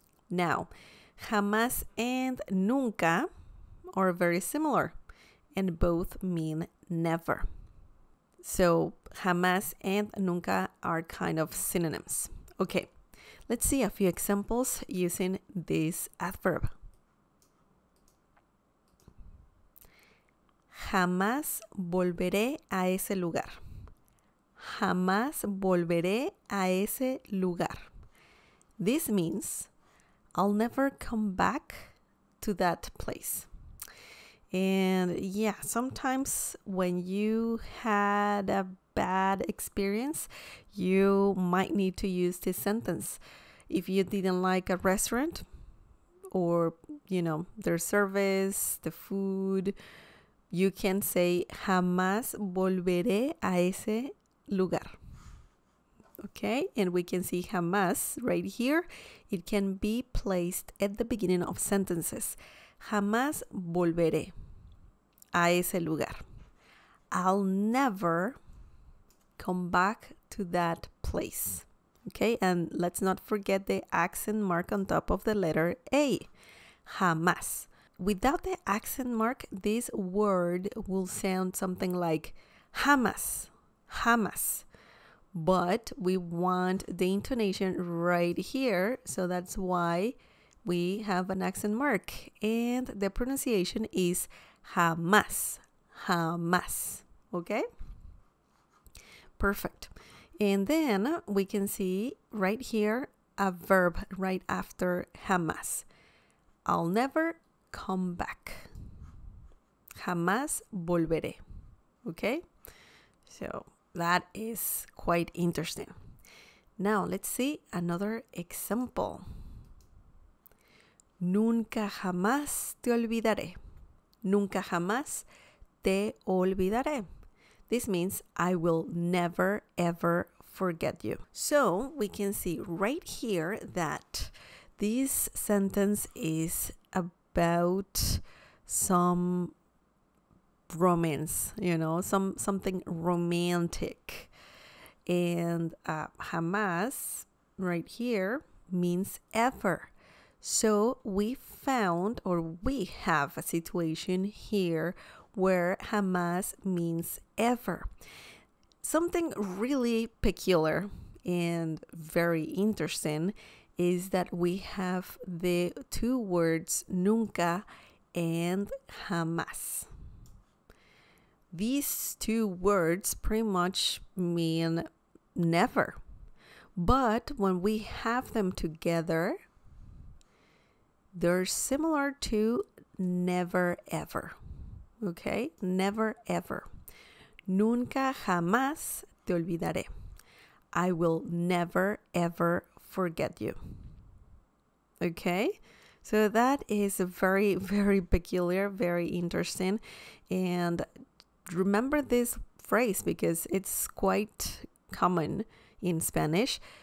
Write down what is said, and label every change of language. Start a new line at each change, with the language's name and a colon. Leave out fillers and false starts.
English: Now, jamás and nunca are very similar, and both mean never. So, jamás and nunca are kind of synonyms. Okay, let's see a few examples using this adverb.
Spanish: Jamás volveré a ese lugar. Jamás volveré a ese lugar.
English: This means, I'll never come back to that place. And yeah, sometimes when you had a bad experience, you might need to use this sentence. If you didn't like a restaurant or, you know, their service, the food, you can say,
Spanish: jamás volveré a ese lugar.
English: Okay, and we can see jamás right here. It can be placed at the beginning of sentences.
Spanish: Jamás volveré a ese lugar.
English: I'll never come back to that place. Okay, and let's not forget the accent mark on top of the letter A. Jamás. Without the accent mark, this word will sound something like jamás, jamás. But we want the intonation right here, so that's why we have an accent mark. And the pronunciation is jamás, jamás, okay? Perfect. And then we can see right here a verb right after jamás. I'll never come back.
Spanish: Jamás volveré.
English: Okay? So that is quite interesting. Now let's see another example.
Spanish: Nunca jamás te olvidaré. Nunca jamás te olvidaré.
English: This means I will never ever forget you. So we can see right here that this sentence is about some romance, you know, something romantic. And jamás right here means ever. So we found, or we have a situation here where jamás means ever. Something really peculiar and very interesting is that we have the two words nunca and jamás. These two words pretty much mean never, but when we have them together, they're similar to never ever. Okay, never ever.
Spanish: Nunca jamás te olvidaré.
English: I will never ever forget you. Okay, so that is very, very peculiar, very interesting. And remember this phrase because it's quite common in Spanish.